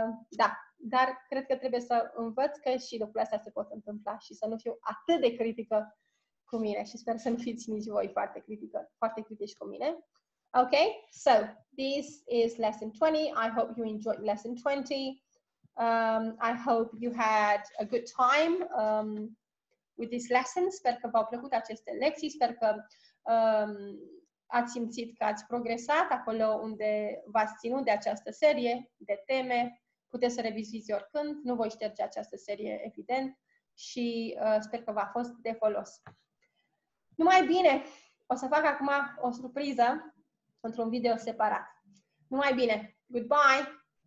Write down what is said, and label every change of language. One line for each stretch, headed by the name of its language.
Romanian: Da, dar cred că trebuie să învăț că și lucrurile astea se pot întâmpla și să nu fiu atât de critică cu mine și sper să nu fiți nici voi foarte critică, foarte critici cu mine.
English: Ok, so, this is lesson 20. I hope you enjoyed lesson 20. I hope you had a good time with this lesson.
Romanian: Sper că v-au plăcut aceste lecții. Sper că ați simțit că ați progresat acolo unde v-ați ținut de această serie de teme. Puteți să reviziți oricând. Nu voi șterge această serie, evident. Și sper că v-a fost de folos. Numai bine, o să fac acum o surpriză într-un video separat. Numai bine. Goodbye!